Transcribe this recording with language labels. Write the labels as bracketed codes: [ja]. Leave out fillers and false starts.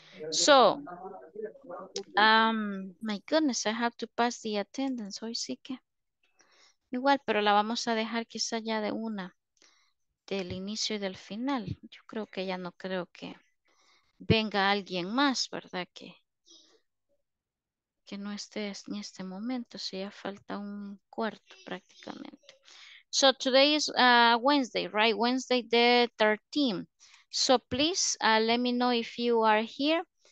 [en] So, my goodness, I have to pass the attendance. [es] Hoy sí que. Igual, pero la vamos a dejar quizá ya de una, del inicio y del final. Yo creo que ya no creo que venga alguien más, ¿verdad? Que no esté en este momento, si ya falta un cuarto prácticamente. [en] So, today is Wednesday, right? Wednesday the 13th. So, please let me know if you are here.